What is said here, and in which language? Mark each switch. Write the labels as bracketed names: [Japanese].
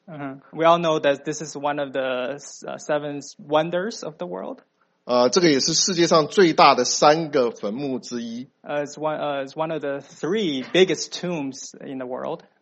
[English] We all know that this is one of the seven wonders of the world. [Chinese] 这个也是世界上最大的三个坟墓之一。 [English] It's one of the three biggest tombs in the world.